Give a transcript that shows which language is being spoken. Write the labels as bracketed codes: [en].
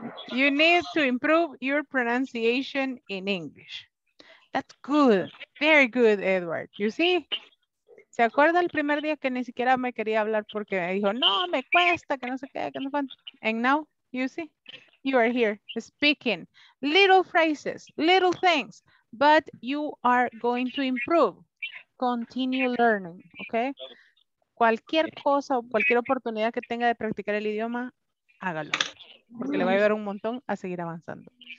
[en] You need to improve your pronunciation in English. That's good. Very good, Edward. You see? [es] ¿Se acuerda el primer día que ni siquiera me quería hablar porque me dijo, no, me cuesta, que no sé qué, que no sé cuánto? [en] And now, you see, you are here speaking. Little phrases, little things, but you are going to improve. Continue learning, okay? [es] Cualquier cosa o cualquier oportunidad que tenga de practicar el idioma, hágalo. Porque le va a ayudar un montón a seguir avanzando.